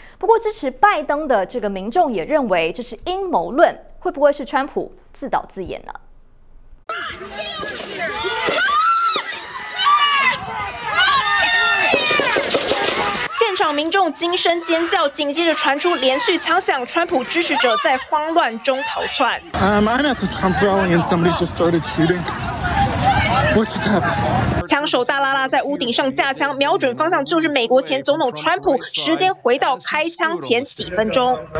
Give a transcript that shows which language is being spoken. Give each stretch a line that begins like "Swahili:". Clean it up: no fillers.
Chinese: 不过支持拜登的这个民众也认为这是阴谋论，会不会是川普自导自演呢？现场民众惊声尖叫，紧接着传出连续枪响，川普支持者在慌乱中逃窜。
English: I'm at the Trump rally and somebody just started shooting. What just happened?
Chinese: 枪手大拉拉在屋顶上架枪，瞄准方向就是美国前总统川普，时间回到开枪前几分钟。